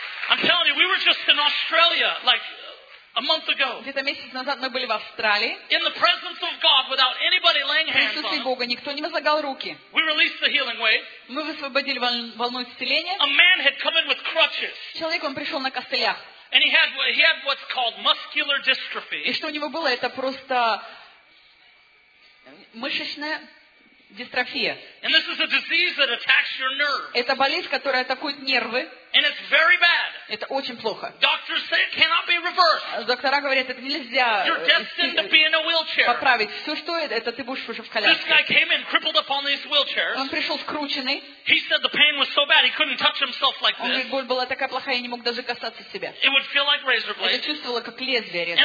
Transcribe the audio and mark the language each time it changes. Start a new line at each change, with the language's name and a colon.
English: I'm telling you, we were just in Australia like a month ago.
Russian: Где-то месяц назад мы были в Австралии.
English: In the presence of God, without anybody laying hands on us.
Russian: В присутствии Бога, никто не возлагал руки.
English: We released the healing wave.
Russian: Мы высвободили волну исцеления.
English: A man had come in with crutches.
Russian: Человек, он пришел на костылях.
English: And he had what's called muscular dystrophy.
Russian: И что у него было? Это просто мышечная дистрофия.
English: And this is a disease that attacks your nerves.
Russian: Это болезнь, которая атакует нервы.
English: And it's very bad.
Russian: Это очень плохо.
English: Doctors say it cannot be reversed.
Russian: Доктора говорят, это нельзя.
English: You're destined to be in a wheelchair.
Russian: Поправить все, что это, ты будешь уже в коляске.
English: This guy came in crippled up on these wheelchairs.
Russian: Он пришел скрученный.
English: He said the pain was so bad he couldn't touch himself like this.
Russian: Он говорит, боль была такая плохая, я не мог даже касаться себя.
English: It would feel like razor blades.
Russian: Это чувствовало как лезвие резало.